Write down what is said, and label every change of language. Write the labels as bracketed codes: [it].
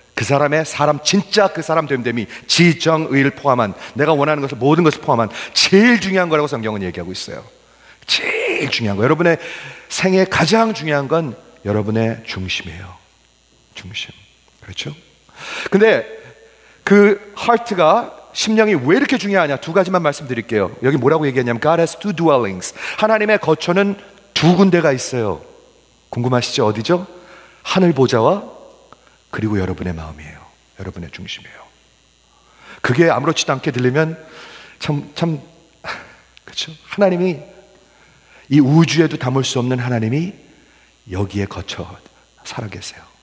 [ko] 그 사람의 사람, 진짜 그 사람 됨됨이 지정의를 포함한, 내가 원하는 것을 모든 것을 포함한 제일 중요한 거라고 성경은 얘기하고 있어요. 제일 중요한 거. 여러분의 생애 가장 중요한 건 여러분의 중심이에요. 중심. 그렇죠? 근데 그 heart가, 심령이 왜 이렇게 중요하냐? 두 가지만 말씀드릴게요. 여기 뭐라고 얘기했냐면 [en] God has two dwellings. [ko] 하나님의 거처는 두 군데가 있어요. 궁금하시죠? 어디죠? 하늘 보좌와 그리고 여러분의 마음이에요. 여러분의 중심이에요. 그게 아무렇지도 않게 들리면 참, 그렇죠? 하나님이, 이 우주에도 담을 수 없는 하나님이 여기에 거쳐 살아계세요.